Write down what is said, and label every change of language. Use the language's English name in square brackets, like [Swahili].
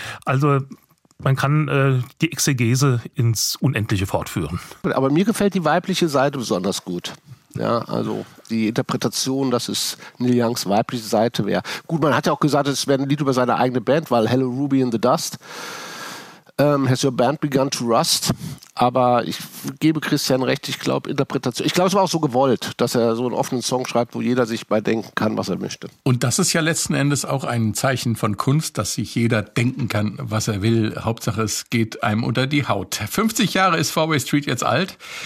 [German] Also man kann die Exegese ins Unendliche fortführen. Aber mir gefällt die weibliche Seite besonders gut. Ja, also die Interpretation, dass es Neil Youngs weibliche Seite wäre. Gut, man hat ja auch gesagt, es wäre ein Lied über seine eigene Band, weil Hello Ruby in the Dust. [English] Has your band begun to rust? [German] Aber ich gebe Christian recht, ich glaube, Interpretation. Ich glaube, es war auch so gewollt, dass er so einen offenen Song schreibt, wo jeder sich bei denken kann, was er möchte. Und das ist ja letzten Endes auch ein Zeichen von Kunst, dass sich jeder denken kann, was er will. Hauptsache, es geht einem unter die Haut. 50 Jahre ist Four Way Street jetzt alt.